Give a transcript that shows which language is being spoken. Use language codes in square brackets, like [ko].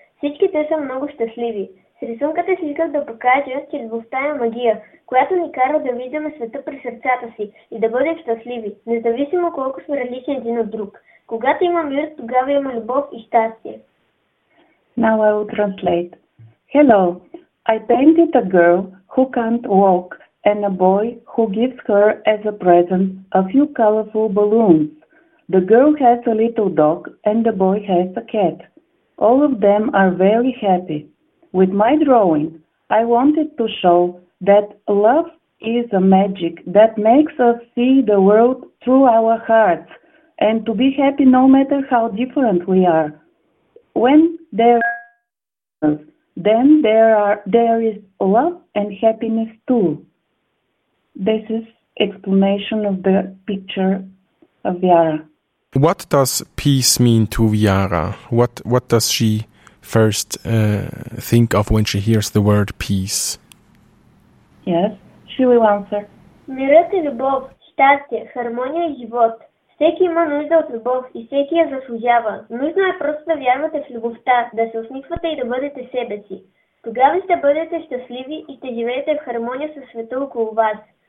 [bg] Всички те са много щастливи. С рисунката си исках да покажа, че любовта е магия, която ни кара да виждаме света през сърцата си и да бъдем щастливи, независимо колко сме различни един от друг. Когато има мир, тогава има любов и щастие. [en] Now I will translate. Hello, I painted a girl who can't walk and a boy who gives her as a present a few colorful balloons. The girl has a little dog and the boy has a cat. All of them are very happy. With my drawing, I wanted to show that love is a magic that makes us see the world through our hearts and to be happy no matter how different we are. When there is love, then there is love and happiness too. This is explanation of the picture of Viara. What does peace mean to Viara? What does she first think of when she hears the word peace? Yes, she will answer. [bg] Мирът е любов, щастие, хармония и живот. Всеки има нужда от любов и всеки я заслужава. Нужно е просто да вярвате в любовта, да се усмихвате и да бъдете себе си. Тогава ще бъдете щастливи и ще живеете в хармония със света около вас.